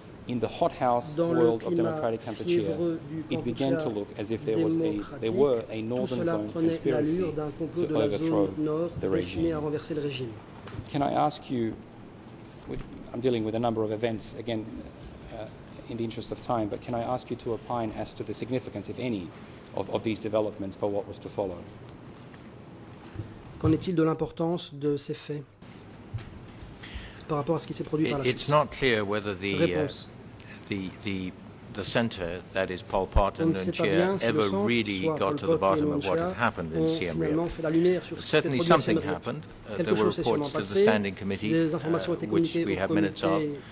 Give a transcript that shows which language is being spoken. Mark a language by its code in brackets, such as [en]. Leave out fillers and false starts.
[en] In the hothouse world of Democratic Kampuchea, it began to look as if there were a Northern Zone conspiracy to overthrow the regime. Can I ask you, I'm dealing with a number of events, again, in the interest of time, but can I ask you to opine as to the significance, if any, of these developments for what was to follow? [fr] Qu'en est-il de l'importance de ces faits par rapport à ce qui s'est produit par la suite? [en] It's not clear whether the center, that is Pol Pot and Nguyen Chia, ever really got to the bottom of what had happened in Siem Reap. Certainly something happened. There were reports to the standing committee, which we have minutes of.